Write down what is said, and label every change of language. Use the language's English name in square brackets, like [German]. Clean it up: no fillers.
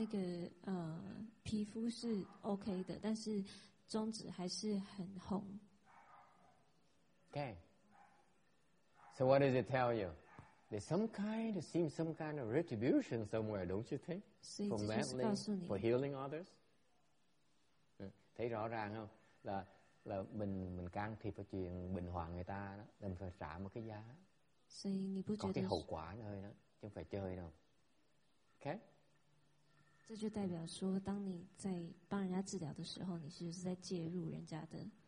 [Chinese] 所以说他那个皮肤是OK的, 但是中指还是很红。 [English] Okay. So what does it tell you? There's some kind, it seems some kind of retribution somewhere, don't you think? For meddling, for healing others. [Vietnamese] Thấy rõ ràng không? Là mình can thiệp vào chuyện bình hoàng người ta đó, mình phải trả một cái giá. Có cái hậu quả nơi đó, chứ không phải chơi đâu. [English] Okay? [Chinese] 这就代表说，当你在帮人家治疗的时候， 你是在介入人家的。